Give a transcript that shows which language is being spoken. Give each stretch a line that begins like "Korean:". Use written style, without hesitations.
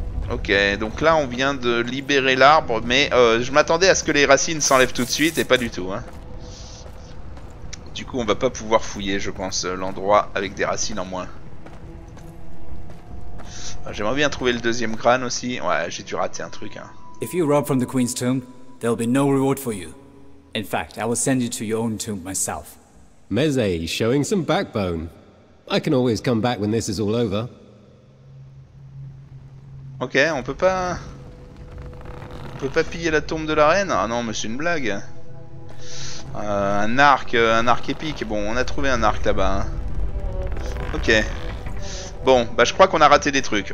French: Ok, donc là on vient de libérer l'arbre, mais je m'attendais à ce que les racines s'enlèvent tout de suite et pas du tout. Hein. Du coup on va pas pouvoir fouiller, je pense, l'endroit avec des racines en moins. J'aimerais bien trouver le deuxième crâne aussi. Ouais, j'ai dû rater un truc. Hein.
English: If you rob from the Queen's tomb, there'll be no reward for you. In fact, I will send you to your own tomb myself. Meze, showing some backbone. I can always come back when this is all over.
French: Ok, on peut pas piller la tombe de la reine. Ah non, mais c'est une blague. Un arc épique. Bon, on a trouvé un arc là-bas. Ok. Bon, bah je crois qu'on a raté des trucs.